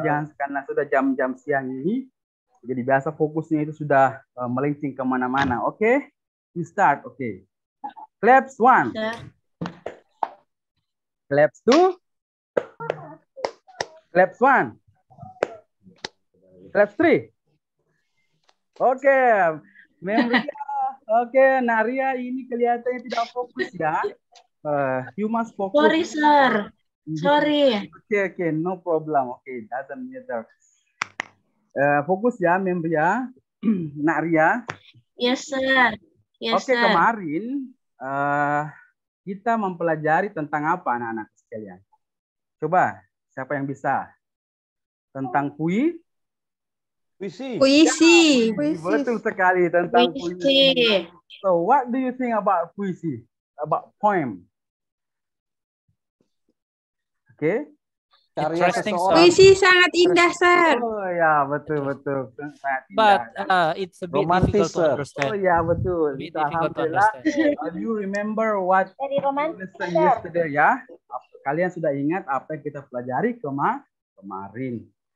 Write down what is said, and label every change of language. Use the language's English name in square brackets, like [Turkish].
[Indonesian] Jangan karena sudah jam-jam siang ini, jadi biasa fokusnya itu sudah melenting kemana-mana. [English] Oke, okay. We start. Oke, okay. Claps one, claps two, claps one, claps three. Oke, okay. Memria. Oke, okay. [Indonesian] Naria ini kelihatannya tidak fokus ya. [English] You must focus. Sorry, sir. Sorry. Okay, okay, no problem. Okay, doesn't matter. [Indonesian] Fokus ya, [English] Membria. Nak Ria. Yes, sir. Yes, okay, sir. [Indonesian] Oke, kemarin kita mempelajari tentang apa, anak-anak sekalian? Coba, siapa yang bisa? Tentang puisi. Puisi. Ya, puisi. Betul sekali tentang puisi. [English] So, what do you think about puisi? About poem. Oke. Okay. Interesting. [Indonesian] Puisi sangat indah, sir. Oh ya, betul betul. Sangat indah. [English] But it's a bit romantic, difficult to understand. [Indonesian] Oh ya, betul. [English] Bit difficult to understand. Do you remember what lesson yesterday ya? [Indonesian] Kalian sudah ingat apa yang kita pelajari kemarin?